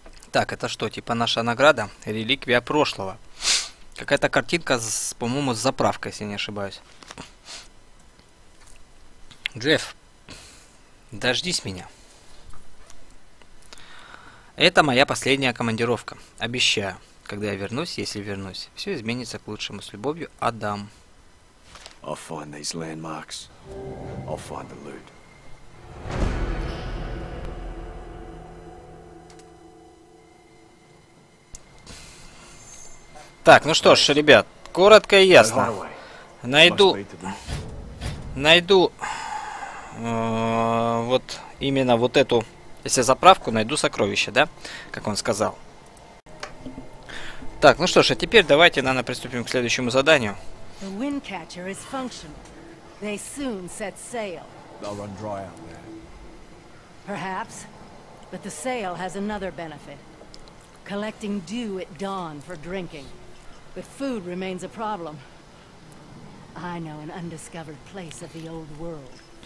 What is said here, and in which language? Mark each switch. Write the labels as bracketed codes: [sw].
[ru] Так, это что, типа наша награда? Реликвия прошлого. Какая-то картинка, по-моему, с заправкой, если не ошибаюсь. Джефф, дождись меня. Это моя последняя командировка. Обещаю. Когда я вернусь, если вернусь, все изменится к лучшему. С любовью, Адам. [en] I'll find these landmarks. I'll find the loot. [ru] Так, ну что ж, ребят, коротко и ясно. Найду... вот именно вот эту, если заправку, найду сокровище, да, как он сказал. Так, ну что ж, а теперь давайте, наверное, приступим к следующему заданию. [en] The wind catcher is functional. They soon set sail. They'll run dry out there. Perhaps, but the sail has another benefit. Collecting dew at dawn for drinking. But food remains a problem. I know an undiscovered place of the old world.